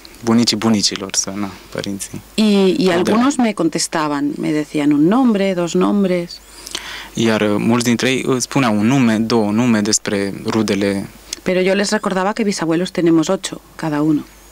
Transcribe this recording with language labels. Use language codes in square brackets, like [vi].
[ro] Bunicii bunicilor, să, na, părinții. [es] Y algunos me contestaban, me decían un nombre, dos nombres. [ro] Iar mulți dintre ei spuneau un nume, două nume despre rudele. [es] Pero yo les recordaba que bisabuelos tenemos 8 cada uno.